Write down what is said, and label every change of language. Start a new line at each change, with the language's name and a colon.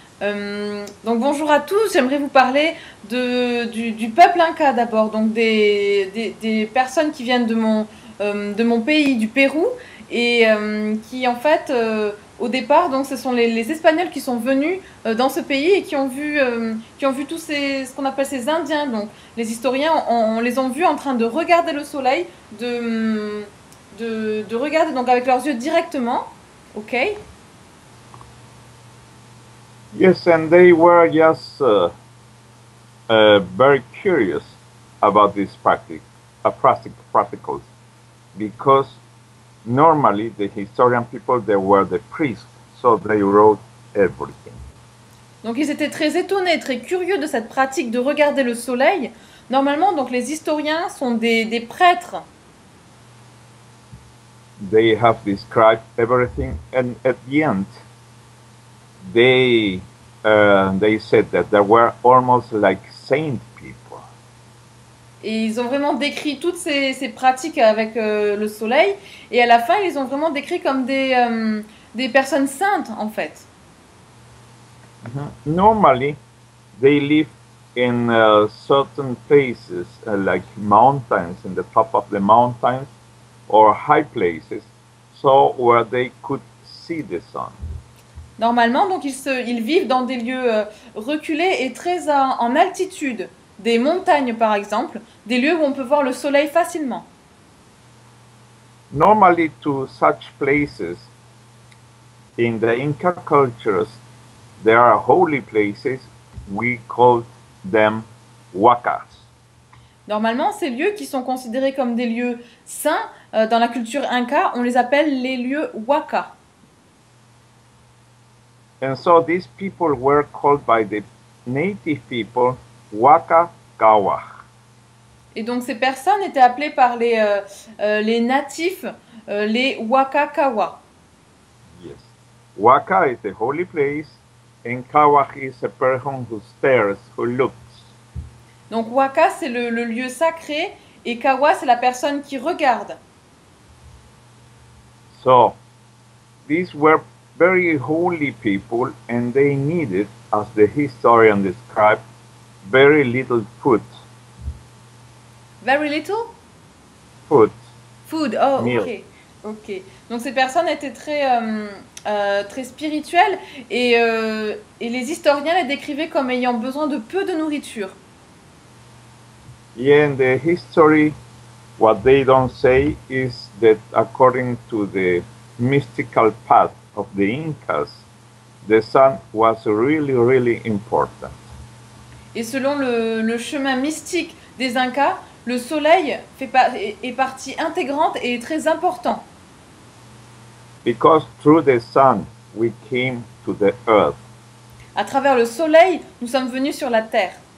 French: Donc bonjour à tous, j'aimerais vous parler du peuple Inca d'abord, donc des personnes qui viennent de mon pays, du Pérou, et qui en fait au départ, donc ce sont les Espagnols qui sont venus dans ce pays et qui ont vu tous ce qu'on appelle ces Indiens. Donc les historiens on les ont vus en train de regarder le soleil, de regarder donc avec leurs yeux directement. Ok.
English: Yes, and they were just very curious about this practical, because normally, the historian people, they were the priests, so they wrote everything.
French: Donc ils étaient très étonnés, très curieux de cette pratique de regarder le soleil. Normalement, donc les historiens sont des prêtres.
English: They have described everything, and at the end, they said that they were almost like saint people.
French: Et ils ont vraiment décrit toutes ces pratiques avec le soleil. Et à la fin, ils ont vraiment décrit comme des personnes saintes, en fait.
English: Normally, they live in certain places, like mountains, in the top of the mountains, or high places, so where they could see the sun.
French: Normalement, donc, ils vivent dans des lieux reculés et très en altitude. Des montagnes, par exemple, des lieux où on peut voir le soleil facilement.
English: Normally, to such places, in the Inca cultures, there are holy places. We call them huacas.
French: Normalement, ces lieux qui sont considérés comme des lieux saints dans la culture inca, on les appelle les lieux huaca.
English: And so these people were called by the native people huaca.
French: Et donc ces personnes étaient appelées par les natifs, les Waka-Kawa.
English: Yes. Waka is a holy place and Kawa is a person who stares, who looks.
French: Donc Waka c'est le lieu sacré et Kawa c'est la personne qui regarde.
English: So, these were very holy people and they needed, as the historian described, very little food. Very little? Food. Food, oh, meal. Okay.
French: Donc ces personnes étaient très très spirituelles et les historiens les décrivaient comme ayant besoin de peu de nourriture.
English: Yeah, in the history, what they don't say is that according to the mystical path of the Incas, the sun was really, really important.
French: Et selon le chemin mystique des Incas, le soleil est partie intégrante et est très important.
English: Because through the sun, we came to the earth.
French: À travers le soleil, nous sommes venus sur la terre.